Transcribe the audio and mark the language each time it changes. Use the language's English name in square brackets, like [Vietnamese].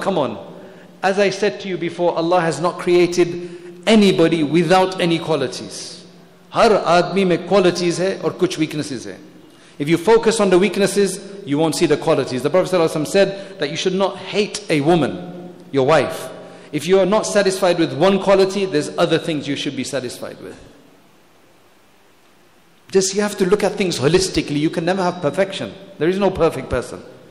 [English] Come on. As I said to you before, Allah has not created anybody without any qualities. [Hindi] हर आदमी में qualities है और कुछ weaknesses है। [English] If you focus on the weaknesses, you won't see the qualities. The Prophet ﷺ said that you should not hate a woman, your wife. If you are not satisfied with one quality, there's other things you should be satisfied with. Just you have to look at things holistically. You can never have perfection. There is no perfect person.